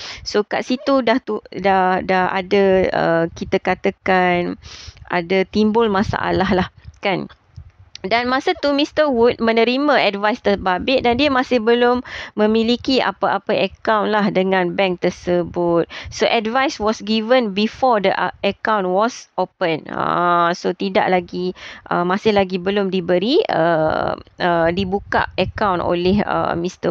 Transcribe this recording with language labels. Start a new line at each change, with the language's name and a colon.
Malay: So kat situ dah ada kita katakan ada timbul masalah lah kan. Dan masa tu Mr. Wood menerima advice terbabit dan dia masih belum memiliki apa-apa account lah dengan bank tersebut.
English: So advice was given before the account was open.
Malay: So tidak lagi, masih lagi belum diberi, dibuka account oleh Mr.